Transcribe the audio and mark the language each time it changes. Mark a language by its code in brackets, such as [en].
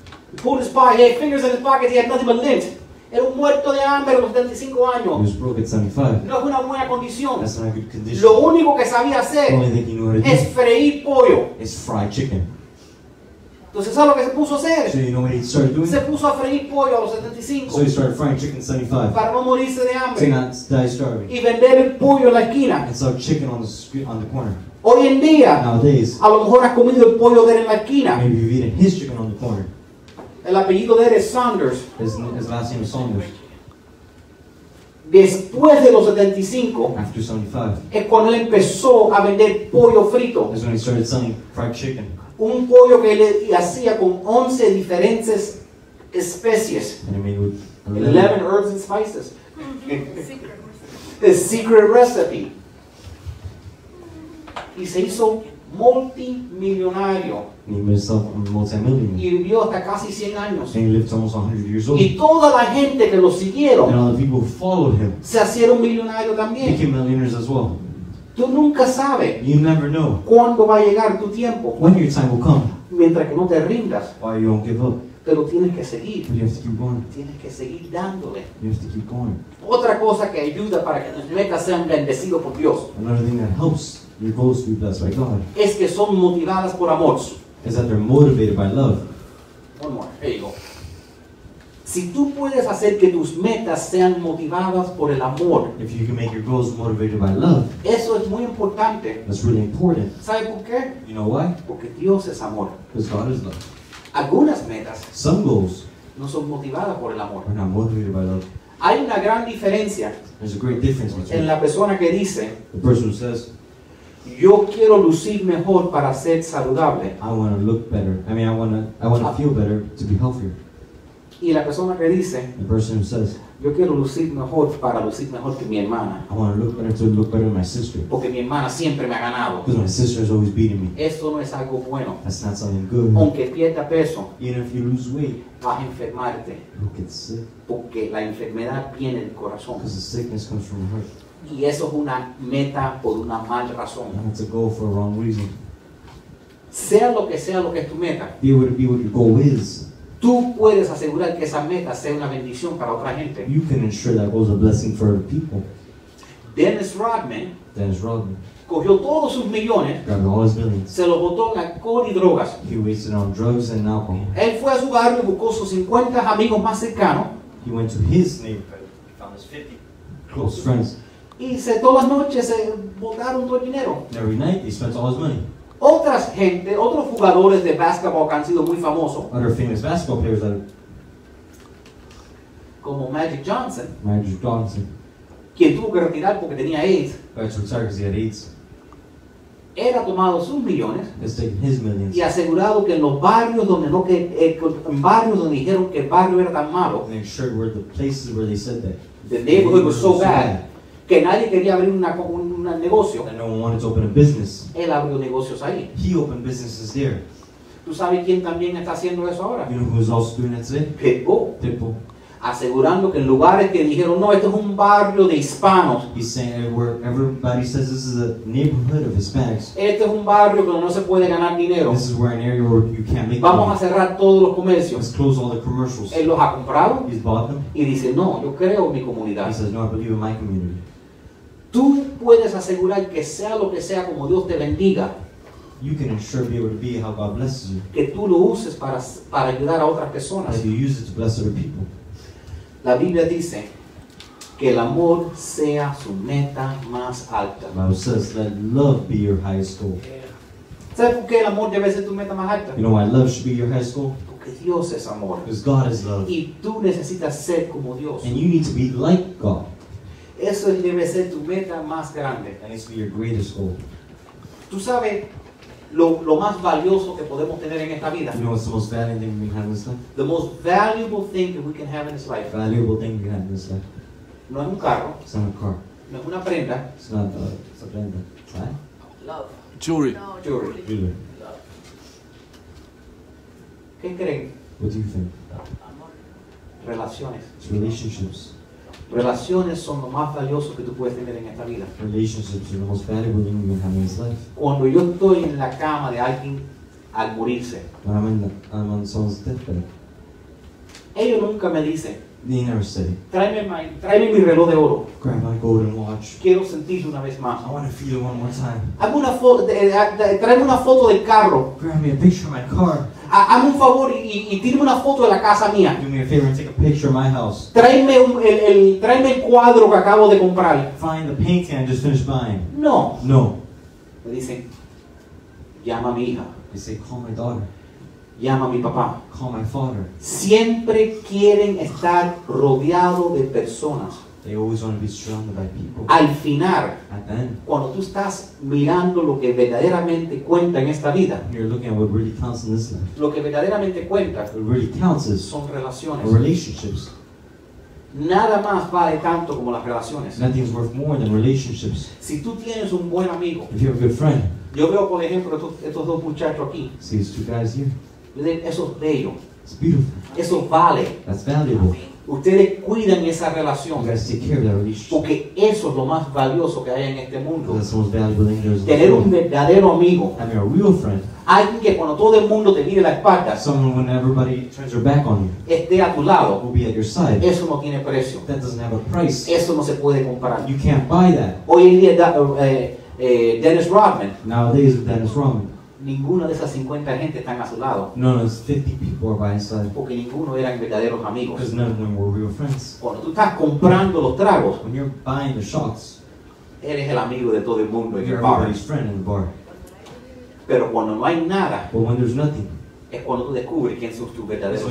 [en] He pulled his pocket, he had fingers in his pockets, he had nothing but lint. [es] Era un muerto de hambre a los 75 años. [en] He was broke at 75. [es] No es una buena condición. [en] That's not a good condition. [es] Lo único que sabía hacer es freír pollo. [en] It's fried chicken. [es] Entonces, ¿sabes lo que se puso a hacer? [en] So you know what he started doing? [es] Se puso a freír pollo a los 75. [en] So he started frying chicken at 75. [es] Para no morirse de hambre. [en] To not die starving. [es] Y vender el pollo en la esquina. [en] And sell chicken on the corner. [es] Hoy en día. [en] Nowadays. [es] A lo mejor has comido el pollo de él en la esquina. [en] Maybe you've eaten his chicken on the corner. [es] El apellido de él es Saunders. [en] His last name is Saunders. [es] Después de los 75. [en] After 75. [es] Es cuando él empezó a vender pollo frito. [en] That's when he started selling fried chicken. [es] Un pollo que él hacía con 11 diferentes especies. [en] And made with 11 herbs and spices. Mm-hmm. Secret. The secret recipe. [es] Y se hizo multimillonario. [en] He made himself a multimillionaire. [es] Y vivió hasta casi 100 años. [en] And he lived almost 100 years old. [es] Y toda la gente que lo siguieron. [en] And all the people who followed him. [es] Se hicieron millonarios también. [en] Became millionaires as well. [es] Tú nunca sabes. [en] You never know. [es] ¿Cuándo va a llegar tu tiempo? [en] When your time will come. [es] Mientras que no te rindas. [en] Why you don't give up. [es] Pero tienes que seguir. [en] But you have to keep going. [es] Tienes que seguir dándole. [en] You have to keep going. [es] Otra cosa que ayuda para que tus metas sean bendecidas por Dios. [en] Another thing that helps your goals to be blessed by God. [es] Es que son motivadas por amor. [en] Is that they're motivated by love. One more. There you go. [es] Si tú puedes hacer que tus metas sean motivadas por el amor, [en] if you can make your goals motivated by love, [es] eso es muy importante. [en] That's really important. [es] ¿Sabes por qué? [en] You know why? [es] Porque Dios es amor. [en] Because God is love. [es] Algunas metas, [en] some goals, [es] no son motivadas por el amor. [en] Are not motivated by love. [es] Hay una gran diferencia. [en] There's a great difference between [es] en la persona que dice, [en] the person who says, [es] yo quiero lucir mejor para ser saludable. [en] I want to look better. I mean, I want to feel better to be healthier. [es] Y la persona que dice, [en] the person who says, [es] yo quiero lucir mejor para lucir mejor que mi hermana. [en] I want to look better to look better than my sister. [es] Porque mi hermana siempre me ha ganado. [en] Because my sister has always beaten me. [es] Eso no es algo bueno. [en] That's not something good. [es] Aunque pierda peso. [en] Even if you lose weight. [es] Vas a enfermarte. [en] You'll get sick. [es] Porque la enfermedad viene del corazón. [en] Because the sickness comes from the heart. [es] Y eso es una meta por una mal razón. [en] And it's a goal for a wrong reason. [es] Sea lo que es tu meta. [en] Be what your goal is. [es] Tú puedes asegurar que esa meta sea una bendición para otra gente. [en] You can ensure that goal is a blessing for other people. [es] Dennis Rodman. Cogió todos sus millones. [en] Got all his millions. [es] Se los botó en alcohol y drogas. [en] He wasted on drugs and alcohol. [es] Él fue a su barrio y buscó sus 50 amigos más cercanos. [en] He went to his neighborhood. Found his 50 close friends. [es] Y se todas las noches se botaron todo el dinero. [en] Every night he spent all his money. [es] Otras gente, otros jugadores de basketball que han sido muy famosos. [en] Other famous basketball players that [es] como Magic Johnson. [en] Magic Johnson. [es] Quien tuvo que retirar porque tenía AIDS. [en] That's what started, 'cause he had AIDS. [es] Era tomado sus millones. [en] He's taken his millions. [es] Y asegurado que en los barrios donde no que en barrios donde dijeron que el barrio era tan malo. [en] And ensured where the places where they said that. The neighborhood was so bad. [es] Que nadie quería abrir un negocio. [en] And no one wanted to open a business. [es] Él abrió negocios ahí. [en] He opened businesses there. [es] ¿Tú sabes quién también está haciendo eso ahora? [en] You know who's also doing it today? Pitbull. [es] Asegurando que en lugares que dijeron, no, esto es un barrio de hispanos. [en] He's saying everybody says this is a neighborhood of Hispanics. [es] Este es un barrio donde no se puede ganar dinero. [en] This is where an area where you can't make [es] vamos [en] money. [es] Vamos a cerrar todos los comercios. [en] Let's close all the commercials. [es] Él los ha comprado. [en] He's bought them. [es] Y dice, no, yo creo en mi comunidad. [en] He says, no, I believe in my community. [es] Tú puedes asegurar que sea lo que sea como Dios te bendiga. [en] You can ensure be able to be how God blesses you. [es] Que tú lo uses para ayudar a otras personas. [en] That you use it to bless other people. [es] La Biblia dice que el amor sea su meta más alta. [en] The Bible says, let love be your highest goal. Yeah. [es] ¿Sabes por qué el amor debe ser tu meta más alta? [en] You know why love should be your highest goal? [es] Porque Dios es amor. [en] Because God is love. [es] Y tú necesitas ser como Dios. [en] And you need to be like God. [es] Eso debe ser tu meta más grande. [en] And it's your greatest goal. ¿Tú sabes lo más valioso que podemos tener en esta vida? You know what's the most valuable thing we have in this life? The most valuable thing that we can have in this life. Valuable thing we have in this life. [es] No es un carro. [en] It's not a car. [es] No es una prenda. [en] It's not a, it's a prenda. Right? Love. Jewelry. No, jewelry. Jewelry. Love. [es] ¿Qué creen? [en] What do you think? [es] Amor. Relaciones. [en] It's relationships. [es] Relaciones son lo más valioso que tú puedes tener en esta vida. [en] Relationships are the most valuable thing you can have in this life. [es] Cuando yo estoy en la cama de alguien al morirse. [en] When I'm on someone's deathbed. [es] Ellos nunca me dicen. [en] They never say. [es] Tráeme mi reloj de oro. [en] Grab my golden watch. [es] Quiero sentirlo una vez más. [en] I want to feel it one more time. [es] Hazme una foto. Tráeme una foto del carro. [en] Grab me a picture of my car. [es] Hazme un favor y tírame una foto de la casa mía. [en] Do me a favor and take a picture of my house. [es] Tráeme el cuadro que acabo de comprar. [en] Find the painting I just finished buying. [es] No. [en] No. [es] Me dicen, llama a mi hija. [en] They say, call my daughter. [es] Llama a mi papá. [en] Call my father. [es] Siempre quieren estar rodeado de personas. [en] They always want to be surrounded by people. [es] Al final, [en] at the end, [es] cuando tú estás mirando lo que verdaderamente cuenta en esta vida, [en] you're looking at what really counts in this life. [es] Lo que verdaderamente cuenta, [en] what really counts is, [es] son relaciones. [en] Relationships. [es] Nada más vale tanto como las relaciones. [en] Nothing is worth more than relationships. [es] Si tú tienes un buen amigo, [en] if you have a good friend, [es] yo veo por ejemplo estos dos muchachos aquí. [en] See these two guys here. [es] Eso es bello. [en] It's beautiful. [es] Eso vale. [en] That's valuable. [es] Ustedes cuidan esa relación. [en] You guys take care of that relationship. [es] Porque eso es lo más valioso que hay en este mundo. [en] That's the most valuable thing there is. [es] Tener un verdadero amigo. [en] Having a real friend. [es] Alguien que cuando todo el mundo te mire la espalda. [en] Someone when everybody turns their back on you. [es] Esté a tu lado. [en] Will be at your side. [es] Eso no tiene precio. [en] That doesn't have a price. [es] Eso no se puede comparar. [en] You can't buy that. [es] Hoy en día Dennis Rodman. [en] Nowadays with Dennis Rodman. [es] Ninguna de esas 50 gente están a su lado. [en] No, no, it's 50 people are by his side. [es] Porque ninguno eran verdaderos amigos. [en] Because none of them were real friends. [es] Cuando tú estás comprando los tragos, [en] when you're buying the shots, [es] eres el amigo de todo el mundo en el bar. [en] You're everybody's friend in the bar. [es] Pero cuando no hay nada, [en] but when there's nothing, [es] es cuando tú descubres quién son tus verdaderos